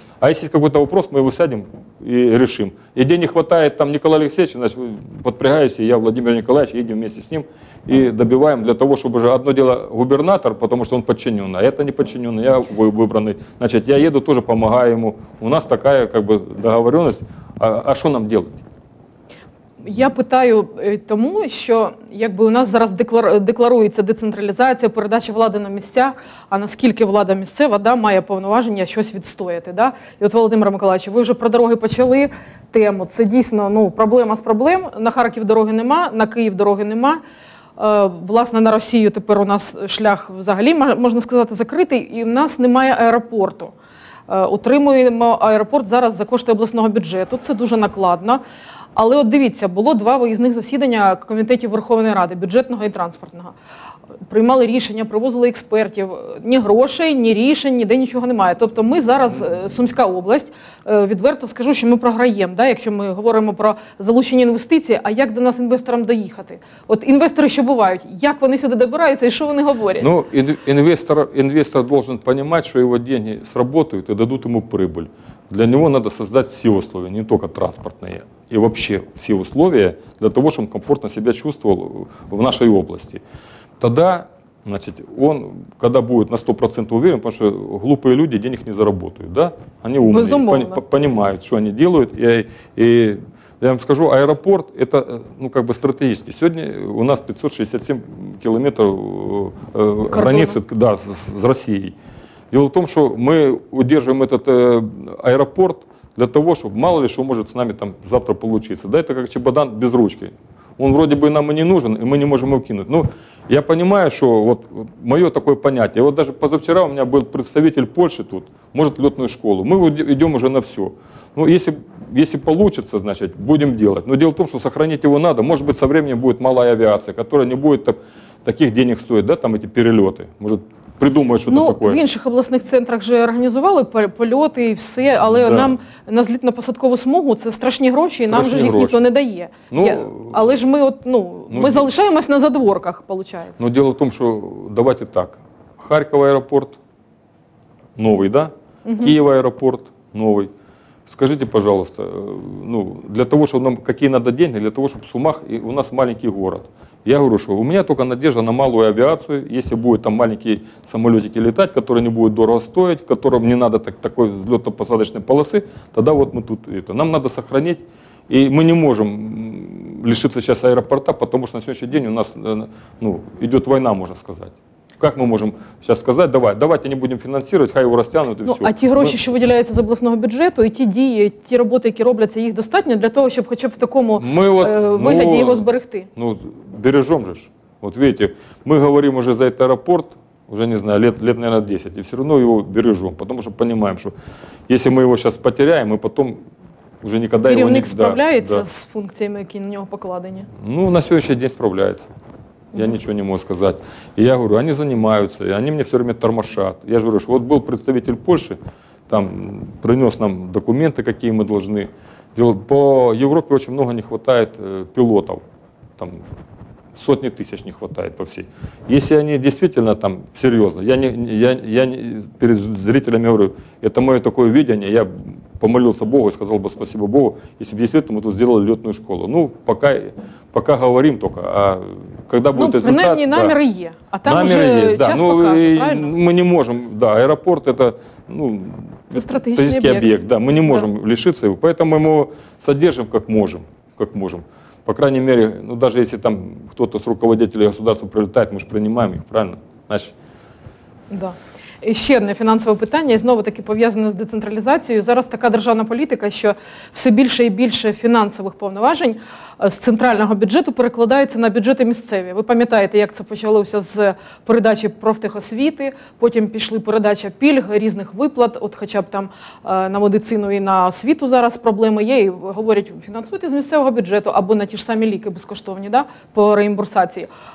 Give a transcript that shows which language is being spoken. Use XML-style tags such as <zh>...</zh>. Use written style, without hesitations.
<ru>А если есть какой-то вопрос, мы его сядем и решим. И где не хватает там Николая Алексеевича, значит, подпрягаюсь, и я, Владимир Николаевич, едем вместе с ним и добиваем для того, чтобы же одно дело губернатор, потому что он подчиненный, а это не подчиненный, я выбранный. Значит, я еду, тоже помогаю ему. У нас такая как бы договоренность. А что нам делать?</ru> <uk>Я питаю тому, що якби у нас зараз декларується децентралізація, передача влади на місцях, а наскільки влада місцева, да, має повноваження щось відстояти. Да? І от, Володимир Миколаївич, ви вже про дороги почали тему. Це дійсно, ну, проблема з проблем. На Харків дороги нема, на Київ дороги нема. Власне, на Росію тепер у нас шлях взагалі, можна сказати, закритий. І в нас немає аеропорту. Утримуємо аеропорт зараз за кошти обласного бюджету. Це дуже накладно. Але от дивіться, було два виїзних засідання комітетів Верховної Ради, бюджетного і транспортного. Приймали рішення, привозили експертів. Ні грошей, ні рішень, ніде нічого немає. Тобто ми зараз, Сумська область, відверто скажу, що ми програємо, да, якщо ми говоримо про залучені інвестиції, а як до нас інвесторам доїхати? От інвестори що бувають? Як вони сюди добираються і що вони говорять? Ну, інвестор має розуміти, що його гроші спрацюють і дадуть йому прибуль.</uk> <ru>Для него надо создать все условия, не только транспортные, и вообще все условия для того, чтобы он комфортно себя чувствовал в нашей области. Тогда, значит, он, когда будет на 100% уверен, потому что глупые люди денег не заработают, да? Они умные, понимают, что они делают. Я вам скажу, аэропорт – это, ну, как бы стратегически. Сегодня у нас 567 километров границы, да, с Россией. Дело в том, что мы удерживаем этот аэропорт для того, чтобы мало ли что может с нами там завтра получиться. Да, это как чемодан без ручки. Он вроде бы нам и не нужен, и мы не можем его кинуть. Но я понимаю, что вот мое такое понятие. Вот даже позавчера у меня был представитель Польши тут, может, летную школу. Мы идем уже на все. Ну, если получится, значит, будем делать. Но дело в том, что сохранить его надо. Может быть, со временем будет малая авиация, которая не будет таких денег стоить, да, там эти перелеты. Может, придумают что-то такое.</ru> <uk>В інших обласних центрах же організували польоти і все, але нам на злітно-посадкову смугу це страшні гроші, і нам же їх ніхто не дає. Але ж ми залишаємось на задворках, виходить. Ну, діло в тому, що давайте так. Харків аеропорт новий, да? Угу. Київ аеропорт новий.</uk> <ru>Скажите, пожалуйста, ну, для того, чтобы нам какие надо деньги, для того, чтобы Сумах, и у нас маленький город. Я говорю, что у меня только надежда на малую авиацию, если будет там маленькие самолетики летать, которые не будут дорого стоить, которым не надо такой взлетно-посадочной полосы, тогда вот мы тут это. Нам надо сохранить, и мы не можем лишиться сейчас аэропорта, потому что на сегодняшний день у нас идет война, можно сказать. Как мы можем сейчас сказать, давайте не будем финансировать, хай его растянут и все.</ru> <uk>А ті гроші, що виділяються з обласного бюджету, і ті дії, ті роботи, які робляться, їх достатньо для того, щоб хоча б в такому вигляді його зберегти? Ну, бережем же ж. От видите, ми говоримо вже за цей аеропорт, вже не знаю,</uk> <ru>лет, наверное, 10,</ru> <uk>і все одно його бережем, тому що розуміємо, що якщо ми його зараз потеряємо, ми потім вже ніколи його не... Керівник справляється з функціями, які на нього покладені? Ну, на сьогоднішній день справляється.</uk> <ru>Я ничего не могу сказать. И я говорю, они занимаются, и они мне все время тормошат. Я же говорю, что вот был представитель Польши, там принес нам документы, какие мы должны. По Европе очень много не хватает пилотов. Там сотни тысяч не хватает по всей. Если они действительно там серьезно, я перед зрителями говорю, это мое такое видение, я помолился Богу и сказал бы спасибо Богу, если бы действительно мы тут сделали летную школу. Ну, пока говорим только, а когда будет результат...</ru> <uk>Ну, принаймні,</uk> <ru>намеры есть, а там уже час покажет, правильно? Мы не можем, да, аэропорт это, ну, это стратегический объект, да, мы не можем лишиться его, поэтому мы его содержим как можем. По крайней мере, ну, даже если там кто-то с руководителей государства прилетает, мы же принимаем их, правильно? Да.</ru> <uk>І ще одне фінансове питання, і знову-таки пов'язане з децентралізацією. Зараз така державна політика, що все більше і більше фінансових повноважень з центрального бюджету перекладаються на бюджети місцеві. Ви пам'ятаєте, як це почалося з передачі профтехосвіти, потім пішли передача пільг, різних виплат, от хоча б там на медицину і на освіту зараз проблеми є, і говорять, фінансуйте з місцевого бюджету або на ті ж самі ліки безкоштовні, да, по реімбурсації.</uk>